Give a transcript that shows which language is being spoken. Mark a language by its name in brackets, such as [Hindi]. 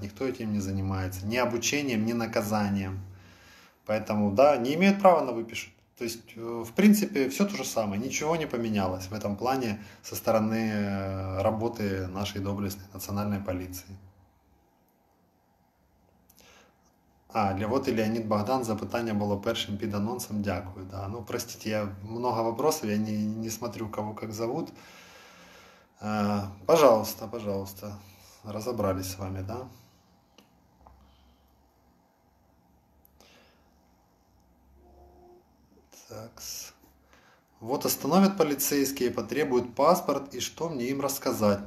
[Russian] Никто этим не занимается. Ни обучением, ни наказанием. Поэтому, да, не имеют права на выпишут. То есть, в принципе, все то же самое. Ничего не поменялось в этом плане со стороны работы нашей доблестной национальной полиции. А, вот и [Ukrainian] Леонид Богдан, запитання було першим під анонсом, дякую. [Russian] Да. Ну, простите, я много вопросов, я не смотрю, кого как зовут. Пожалуйста, пожалуйста, разобрались с вами, да? Так-с. Вот остановят полицейские, потребуют паспорт, и что мне им рассказать?